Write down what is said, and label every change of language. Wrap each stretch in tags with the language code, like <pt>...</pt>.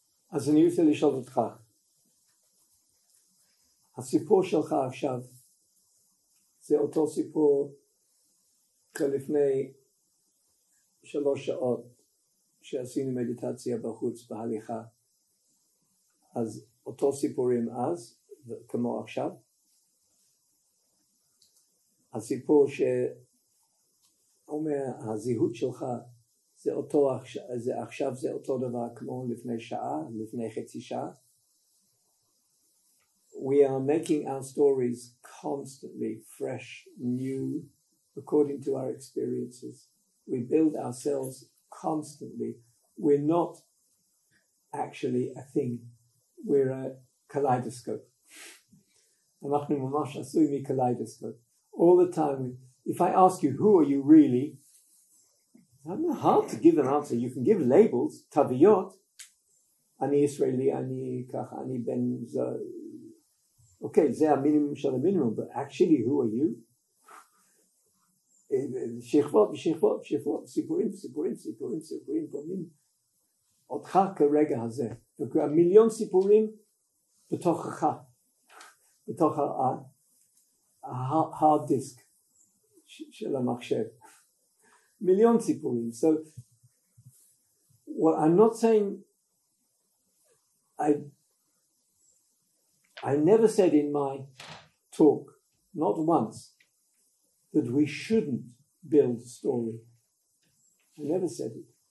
<he>אז אני רוצה לשאול אותך, הסיפור שלך עכשיו זה אותו סיפור כלפני 3 שעות שעשינו מדיטציה בחוץ בהליכה, אז אותו סיפורים אז כמו עכשיו, הסיפור שאומר הזהות שלך זה אותו עכשיו, זה עכשיו זה אותו דבר כמו לפני שעה, לפני חצי שעה.</he> <en>We are making our stories constantly fresh, new, according to our experiences. We build ourselves constantly. We're not actually a thing. We're a kaleidoscope.</en> <he>אנחנו ממש עשוי מקליידוסקופ.</he> <en>All the time, if I ask you, who are you really? I'm not hard to give an answer. You can give labels, תוויות.</en> <he>אני ישראלי, אני ככה, אני בן זו.</he> <en>Okay,</en> <he>זה המינימום של המינימום,</he> <en>but actually, who are you?</en> <he>שכבות, שכבות, שכבות, סיפורים, סיפורים, סיפורים, סיפורים, פעמים. אותך כרגע הזה. מיליון סיפורים בתוכך. בתוך ה-hard disk של המחשב. מיליון סיפורים.</he> <en>So, well, I'm not saying, I never said in my talk, not once, that we shouldn't build a story. I never said it.</en>